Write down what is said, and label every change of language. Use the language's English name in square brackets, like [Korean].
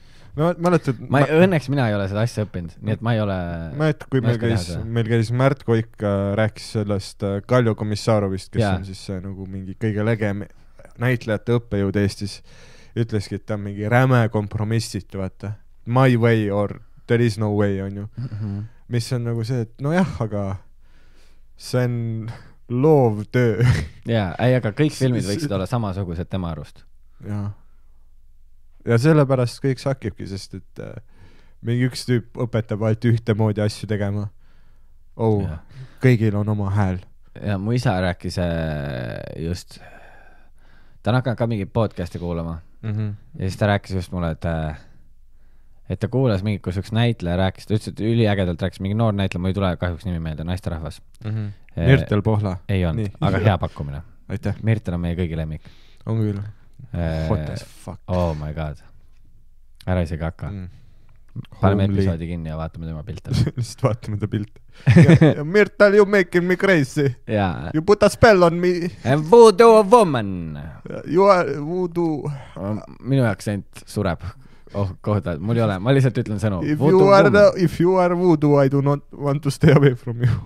[Estonian] No, mäletad, õnneks mina ei ole seda asja õppinud, nii et ma ei ole... Mäletad, kui meil käis Märt Koik rääkis sellest Kaljo Komissarovist, kes on siis nagu mingi kõige legem näitlejate õppejõud Eestis, ütleski, et ta on mingi räme kompromissit, vaata. [English] My way or there is no way, [Estonian] on ju. Mm-hmm. Mis on nagu see, et no jah, aga see on loov töö. Jaa, ei, aga kõik filmid võiksid olla samasugused tema arust. Jaa. Ja sellepärast kõik sakibki, sest et mingi üks tüüp õpetab vaid ühte moodi asju tegema. Oh, kõigil on oma hääl. Ja mu isa rääkis just, ta on hakkanud ka mingi podcasti kuulema. Mm-hmm. Ja siis ta rääkis just mulle, et ta kuulas mingi, kus üks näitleja rääkis, ta ütles, et üli ägedalt rääkis mingi noor näitleja, ma ei tule kahjuks nimi meelde, naisterahvas. Mm-hmm. Mirtel Pohla. Ei olnud, aga hea pakkumine. Aitäh. Mirtel on meie kõigi lemmik. On küll. [English] What the fuck? Oh my god. [Estonian] Ära isegi hakka. Paneme episoodi kinni ja vaatame tema pilte. Lihtsalt vaatame ta pilte. [English] Mirtel, you making me crazy. Yeah. You put a spell on me. And voodoo woman. You are voodoo. [Estonian] Minu aksent sureb. Oh, kohta. Mul ei ole. Ma lihtsalt ütlen sõnu. [English] If you are voodoo, I do not want to stay away from you.